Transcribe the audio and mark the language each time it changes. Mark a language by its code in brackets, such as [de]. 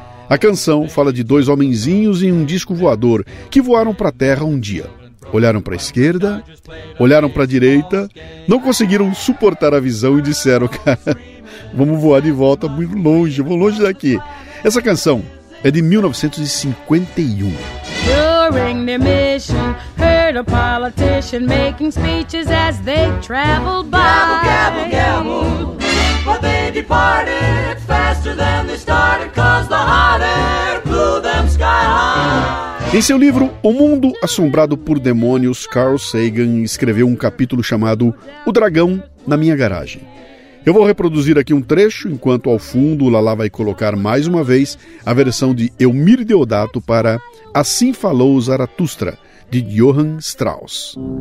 [pt] A canção fala de dois homenzinhos em um disco voador que voaram para a Terra um dia. Olharam para a esquerda, olharam para a direita, não conseguiram suportar a visão e disseram, cara, vamos voar de volta muito longe, vou longe daqui. Essa canção é de 1951. [en] During their mission, heard a politician making speeches as they traveled by. Gabble, gabble, gabble. But they departed faster than they started, cause the hot air blew them sky high. [pt] Em seu livro O Mundo Assombrado por Demônios, Carl Sagan escreveu um capítulo chamado O Dragão na Minha Garagem. Eu vou reproduzir aqui um trecho, enquanto ao fundo o Lala vai colocar mais uma vez a versão de Eumir Deodato para Assim Falou Zaratustra, de Johann Strauss.